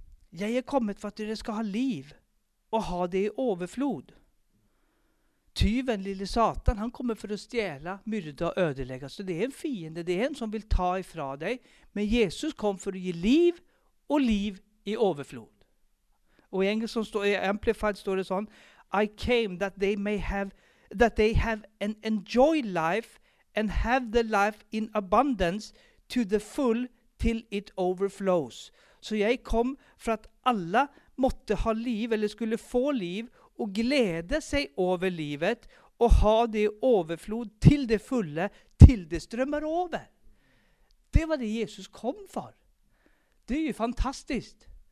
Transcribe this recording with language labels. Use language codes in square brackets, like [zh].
[sv] Jag är kommit för att du ska ha liv. Och ha det i överflod. Tyven, lille Satan, han kommer för att stjäla, myrda och ödelägga. Så det är en fiende. Det är en som vill ta ifrån dig. Men Jesus kom för att ge liv. Och liv i överflod. Och i engelska står, i Amplified står det så: [en] I came that they may have, that they have an enjoy life and have the life in abundance to the full till it overflows. [sv] Så jag kom för att alla måtte ha liv eller skulle få liv och glädja sig över livet och ha det överflod till det fulla, till det strömmar över. Det var det Jesus kom för. Det är ju fantastiskt.